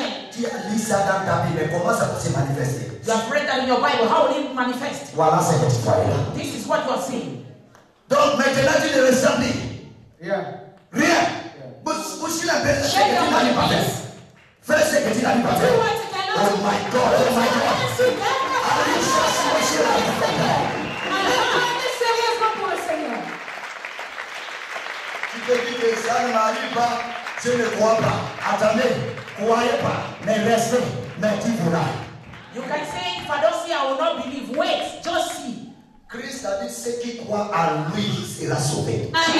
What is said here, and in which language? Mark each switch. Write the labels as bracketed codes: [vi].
[fr] Tu as lu ça dans ta Bible, comment ça peut se manifester? [en] You have read that in your Bible, how will it manifest? [fr] Voilà ce que tu vois là. [en] This is what you are seeing. [fr] Donc maintenant tu ne ressens rien. [en] Yeah. [fr] Rien. Fais ce que tu n'as pas fait. [en] Oh my God. [fr] Allez, chasse moi chez la Seigneur. Tu te dis que ça ne m'arrive pas. Je ne crois pas. Attendez, croyez pas. Mais restez. Mais tu voudras. [en] You can say, if I don't see, I will not believe. Wait, just see. [fr] Christ a dit, ceux qui croient à lui, sera sauvé.